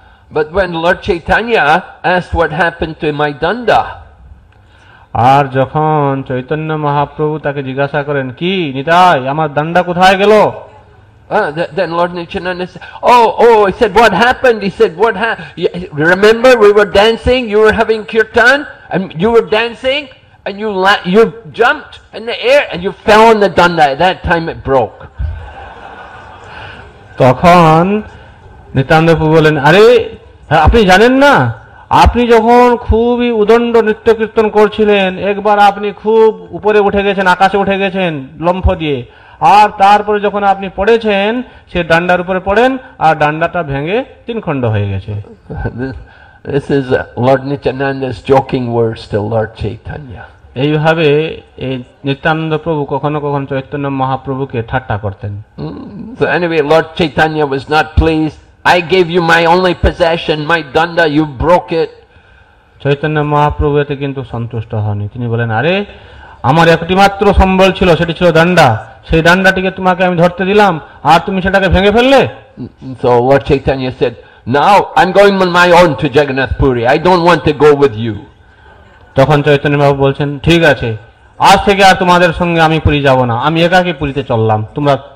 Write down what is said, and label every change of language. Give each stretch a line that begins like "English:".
English: But when Lord Chaitanya asked what happened to my danda,
Bangla: আর যখন চৈতন্য মহাপ্রভু তাকে জিজ্ঞাসা করেন কি নিতাই আমার দণ্ডা কোথায় গেল
English: then Lord Nityananda said he said what happened he said what remember we were dancing you were having kirtan and you were dancing and you jumped in the air and you fell on the danda at that time it broke
Bangla: তখন নিত্যানন্দ প্রভু বলেন আরে আপনি জানেন না আপনি যখন খুবই উদণ্ড নৃত্য কীর্তন করছিলেন একবার আপনি খুব উপরে উঠে গেছেন আকাশে উঠে গেছেন লম্ফ দিয়ে আর তারপরে যখন আপনি পড়েছেন সে ডান্ডার উপরে পড়েন আর ডান্ডাটা ভেঙে তিন খণ্ড হয়ে গেছে
English: This is Lord Nityananda's joking words to Lord Chaitanya.
Bangla: এইভাবে এই নিত্যানন্দ প্রভু কখনো কখনো চৈতন্য মহাপ্রভুকে ঠাট্টা করতেন
English: So anyway, Lord Chaitanya was not pleased. I gave you my only possession, my danda, you broke it.
Bangla: Chaitanya Mahaprabhu এতে কিন্তু সন্তুষ্ট হননি তিনি বলেন আরে আমার একটি মাত্র সম্বল ছিল সেটি ছিল দণ্ডা সেই দণ্ডাটিকে তোমাকে আমি ধরতে দিলাম আর তুমি সেটাকে ভেঙে ফেললে
English: So Lord Chaitanya said, now I'm going on my own to Jagannath Puri. I don't want to go with you.
Bangla: তখন চৈতন্য মহাপ্রভু বলছেন ঠিক আছে আজ থেকে আর তোমাদের সঙ্গে আমি পুরী যাব না আমি একাকী পুরীতে চললাম তোমরা